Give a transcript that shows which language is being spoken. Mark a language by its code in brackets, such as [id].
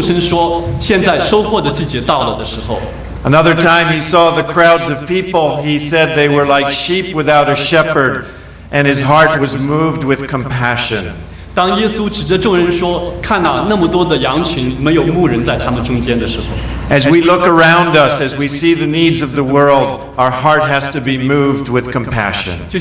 [zh] 当耶稣指着这个世界上面的芸芸众生说，现在收获的季节到了的时候。 [en] Another time he saw the crowds of people, he said they were like sheep without a shepherd, and his heart was moved with compassion. [zh] 当耶稣指着众人说，看哪，那么多的羊群，没有牧人在他们中间的时候。 [en] As we look around us, as we see the needs of the world, our heart has to be moved with compassion.